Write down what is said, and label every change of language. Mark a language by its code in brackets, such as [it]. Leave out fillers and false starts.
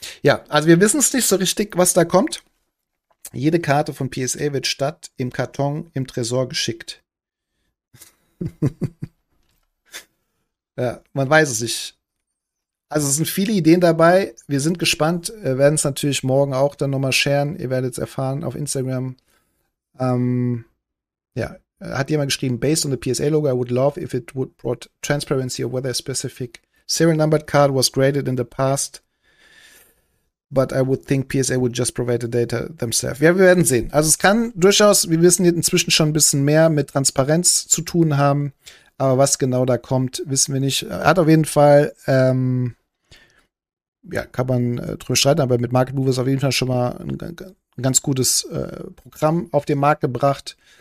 [de] Ja, also wir wissen es nicht so richtig, was da kommt. Jede Karte von PSA wird statt im Karton im Tresor geschickt. Ja, man weiß es nicht. Also es sind viele Ideen dabei. Wir sind gespannt, werden es natürlich morgen auch dann nochmal sharen. Ihr werdet es erfahren auf Instagram. Ja, hat jemand geschrieben, [en] based on the PSA logo, I would love if it would brought transparency of whether a specific serial numbered card was graded in the past. But I would think PSA would just provide the data themselves. [de] Ja, wir werden sehen. Also es kann durchaus, wir wissen inzwischen schon ein bisschen mehr mit Transparenz zu tun haben. Aber was genau da kommt, wissen wir nicht. Hat auf jeden Fall, kann man drüber streiten, aber mit Market Movers auf jeden Fall schon mal ein ganz gutes Programm auf den Markt gebracht.